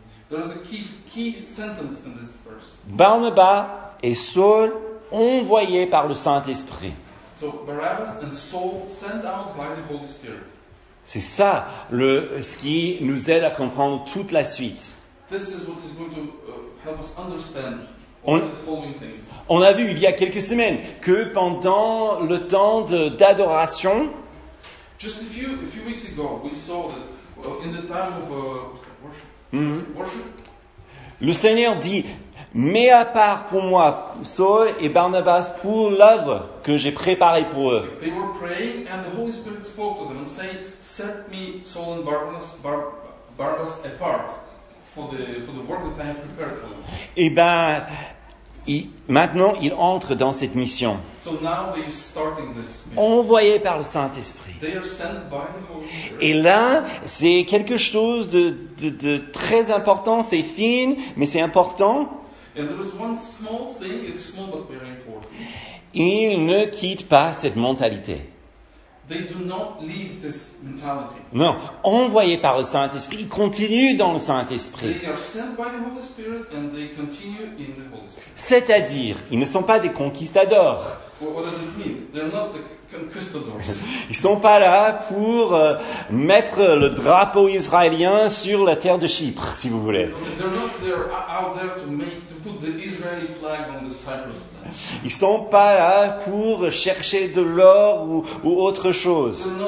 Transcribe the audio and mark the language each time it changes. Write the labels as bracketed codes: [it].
[en] There is a key sentence in this verse. [fr] Barnabas et Saul envoyés par le Saint-Esprit. [en] So Barabbas and Saul sent out by the Holy Spirit. [fr] C'est ça ce qui nous aide à comprendre toute la suite. [en] This is what is going to help us understand the following things. [fr] On a vu il y a quelques semaines que pendant le temps d'adoration, [en] just a few weeks ago, we saw that in the time of worship, [fr] le Seigneur dit, mets à part pour moi Saul et Barnabas pour l'œuvre que j'ai préparée pour eux. [en] They were praying and the Holy Spirit spoke to them and said, set me Saul and Barnabas apart for the work that I have prepared for them. [fr] Et ben, maintenant ils entrent dans cette mission. [en] So now they are starting this mission. [fr] Envoyés par le Saint-Esprit. [en] They are sent by the Holy Spirit. [fr] Et là, c'est quelque chose de très important, c'est fine, mais c'est important. [en] And there is one small thing, it's small but very important. [fr] Ils ne quittent pas cette mentalité. [en] They do not leave this mentality. [fr] Non, envoyés par le Saint-Esprit, ils continuent dans le Saint-Esprit. [en] They are sent by the Holy Spirit and they continue in the Holy Spirit. [fr] C'est-à-dire, ils ne sont pas des conquistadors. [en] What does it mean? They're not the conquistadors. [fr] Ils sont pas là pour mettre le drapeau israélien sur la terre de Chypre, si vous voulez. [en] They're not there out there to put the Israeli flag on the Cyprus. [fr] Ils ne sont pas là pour chercher de l'or ou autre chose.